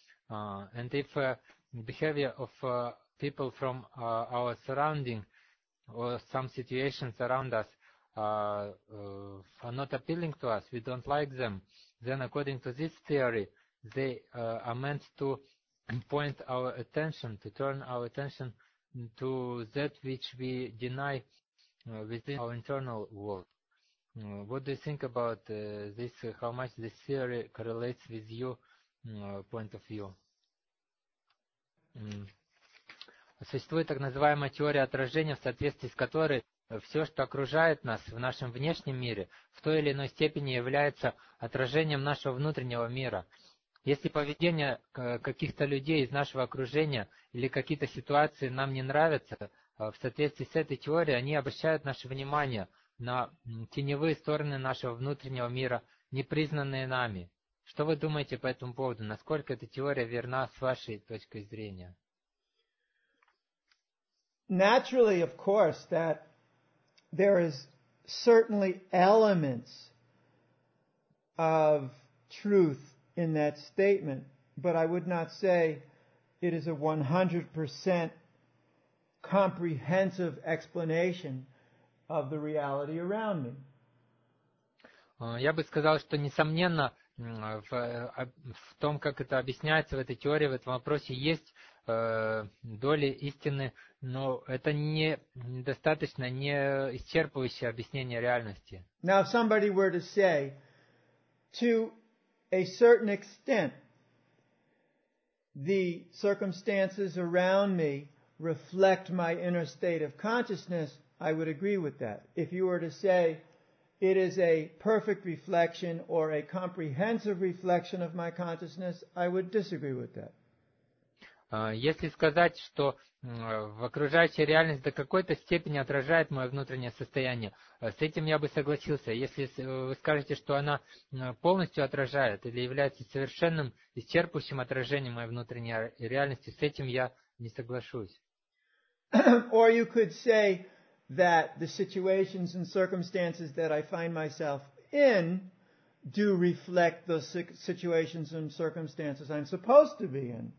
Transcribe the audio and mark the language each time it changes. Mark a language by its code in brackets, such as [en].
[en] And if behavior of people from our surrounding or some situations around us are not appealing to us, we don't like them, then according to this theory, they are meant to point our attention, to turn our attention to that which we deny within our internal world. What do you think about this, how much this theory correlates with your point of view? [ru] Существует так называемая теория отражения, в соответствии с которой все, что окружает нас в нашем внешнем мире, в той или иной степени является отражением нашего внутреннего мира. Если поведение каких-то людей из нашего окружения или какие-то ситуации нам не нравятся, в соответствии с этой теорией они обращают наше внимание на теневые стороны нашего внутреннего мира, непризнанные нами. Что вы думаете по этому поводу? Насколько эта теория верна с вашей точки зрения? [en] Naturally, of course, that there is certainly elements of truth in that statement, but I would not say it is a 100% comprehensive explanation of the reality around me. [ru] Я бы сказал, что несомненно в том, как это объясняется в этой теории, в этом вопросе есть доли истины, но это недостаточно, не исчерпывающее объяснение реальности. [en] Now, if somebody were to say, to a certain extent, the circumstances around me reflect my inner state of consciousness, I would agree with that. If you were to say, it is a perfect reflection or a comprehensive reflection of my consciousness, I would disagree with that. [ru] Если сказать, что в окружающей реальности до какой-то степени отражает мое внутреннее состояние, с этим я бы согласился. Если вы скажете, что она полностью отражает или является совершенным исчерпывающим отражением моей внутренней реальности, с этим я не соглашусь. [en] Or you could say that the situations and circumstances that I find myself in do reflect the situations and circumstances I'm supposed to be in.